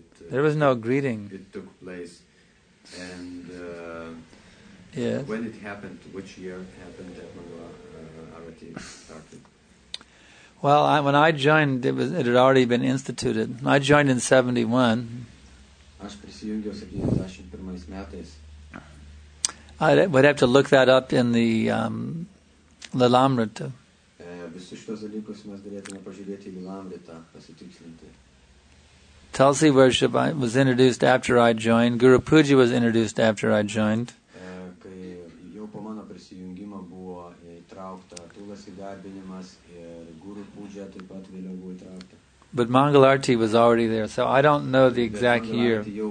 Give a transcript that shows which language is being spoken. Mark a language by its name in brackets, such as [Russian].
[English] there was no greeting. It took place, and yes. When it happened, which year happened that Mangalarti started? Well, when I joined, it had already been instituted. I joined in 71. [Lithuanian] Aš prisijungiau 71 metais. [English] I would have to look that up in the Lilamrita. [Lithuanian] Visus šitos dalykus mes galėtume pažiūrėti į Lilamrita, pasitikslinti. [English] Tulsi worship was introduced after I joined. Guru Puja was introduced after I joined. [Lithuanian] Kai jau po mano prisijungimo buvo įtraukta tulasi garbinimas ir Guru Puja taip pat vėliau buvo įtraukta. [English] But Mangalarti was already there, so I don't know the exact year.